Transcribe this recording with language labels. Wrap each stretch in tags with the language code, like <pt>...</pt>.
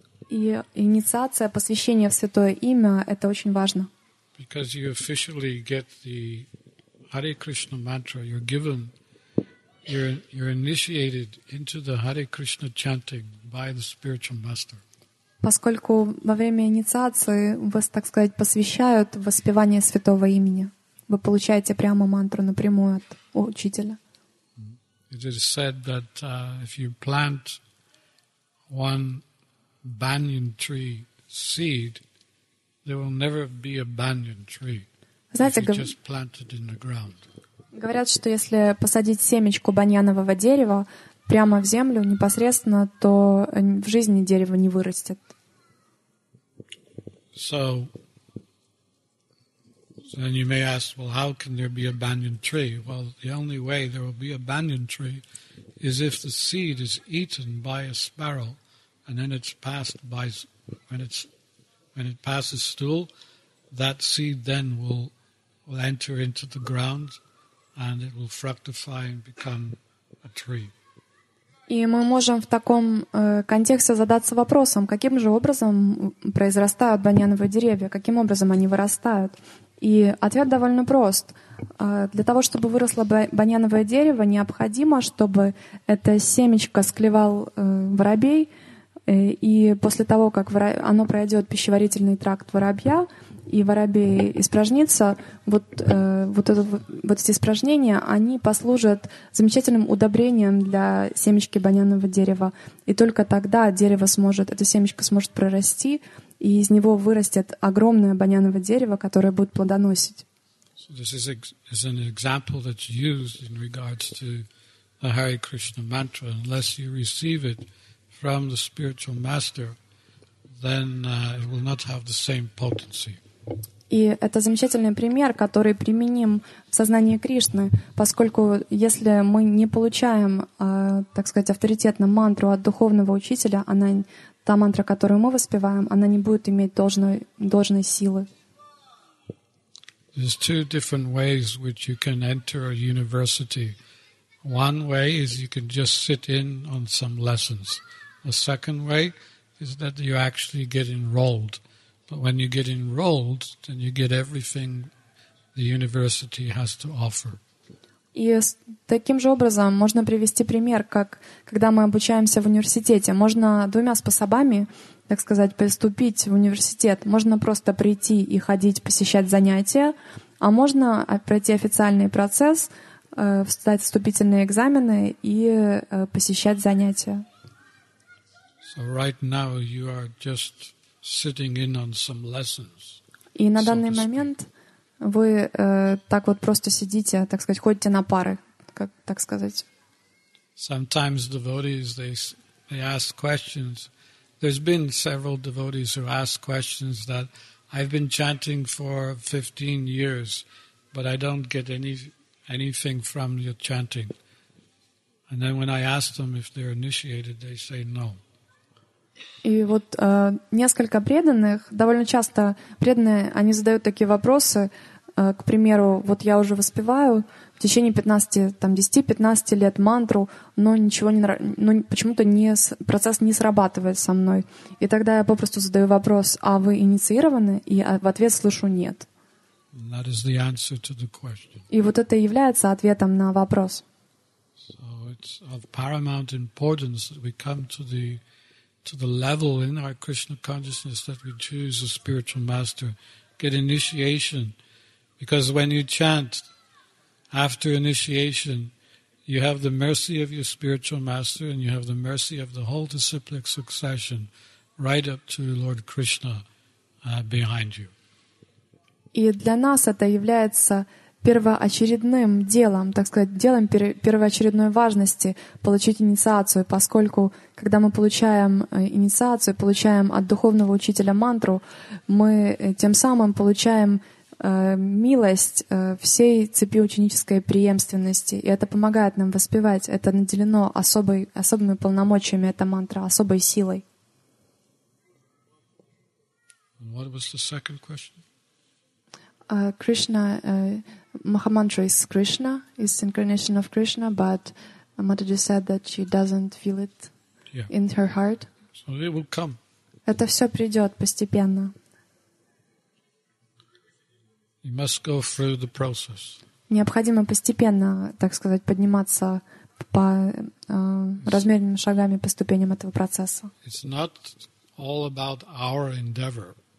<ru>И инициация, посвящение в Святое Имя — это очень важно.</ru> <en>Because you officially get the Hare Krishna mantra, you're given, you're initiated into the Hare Krishna chanting by the spiritual master.</en> <ru>Поскольку во время инициации вас, так сказать, посвящают в воспевание Святого Имени, вы получаете прямо мантру напрямую от учителя.</ru> <en>It is said that if you plant one banyan tree seed, there will never be a banyan tree.</en> <ru>Знаете,</ru> <en>if you just planted in the ground.</en> <ru>Говорят, что если посадить семечко баньянового дерева прямо в землю непосредственно, то в жизни дерево не вырастет.</ru> <en>So then you may ask, well, how can there be a banyan tree? Well, the only way there will be a banyan tree is if the seed is eaten by a sparrow. And then when it passes stool, that seed then will enter into the ground and it will fructify and become a tree.</en> <ru>И мы можем в таком контексте задаться вопросом, каким же образом произрастают баньяновые деревья, каким образом они вырастают? И ответ довольно прост. Для того, чтобы выросло баньяновое дерево, необходимо, чтобы это семечко склевал воробей. И после того, как оно пройдет пищеварительный тракт воробья, и воробей испражнится, эти испражнения, они послужат замечательным удобрением для семечки баньянового дерева. И только тогда эта семечка сможет прорасти, и из него вырастет огромное баньяновое дерево, которое будет плодоносить.</ru> <en>So this is an example that's used in regards to the Hare Krishna mantra. Unless you receive it from the spiritual master, then it will not have the same potency.</en> <ru>И это замечательный пример, который применим в сознании Кришны, поскольку если мы не получаем, так сказать, авторитетно мантру от духовного учителя, она та мантра, которую мы воспеваем, она не будет иметь должной силы.</ru> <en>There's two different ways which you can enter a university One way is you can just sit in on some lessons. The second way is that you actually get enrolled. But when you get enrolled, then you get everything the university has to offer.</en> <ru>И таким же образом можно привести пример, как когда мы обучаемся в университете. Можно двумя способами, так сказать, поступить в университет. Можно просто прийти и ходить, посещать занятия, а можно пройти официальный процесс, сдать вступительные экзамены и посещать занятия.</ru> <en>So right now you are just sitting in on some lessons.</en> <ru>И на данный момент вы так вот просто сидите, так сказать, ходите на пары, как так сказать.</ru> <en>Sometimes devotees they ask questions. There's been several devotees who ask questions that I've been chanting for 15 years, but I don't get anything from your chanting. And then when I ask them if they're initiated, they say no.</en> <ru>И вот несколько преданных, довольно часто преданные, они задают такие вопросы. К примеру, вот я уже воспеваю в течение 10-15 лет мантру, но ничего не, ну, почему-то не, процесс не срабатывает со мной. И тогда я попросту задаю вопрос, а вы инициированы? И в ответ слышу нет.</ru> <en>That is the answer to the question.</en> <ru>И вот это является ответом на вопрос.</ru> <en>So it's of paramount importance that we come to the level in our Krishna consciousness that we choose a spiritual master, get initiation. Because when you chant after initiation, you have the mercy of your spiritual master and you have the mercy of the whole disciplic succession right up to Lord Krishna behind you.</en> <ru>И для нас это является первоочередным делом, так сказать, делом первоочередной важности получить инициацию, поскольку когда мы получаем инициацию, получаем от духовного учителя мантру, мы тем самым получаем милость всей цепи ученической преемственности, и это помогает нам воспевать. Это наделено особыми полномочиями, эта мантра, особой силой.</ru> <en>What was the second question? Krishna, Mahamantra is Krishna, is incarnation of Krishna, but Mataji said that she doesn't feel it in her heart. So it will come.</en> <ru>Это все придет постепенно.</ru> <en>You must go through the process.</en> <ru>Необходимо постепенно, так сказать, подниматься по размеренными шагами по ступеням этого процесса.</ru> <en>It's not all about our endeavor.</en>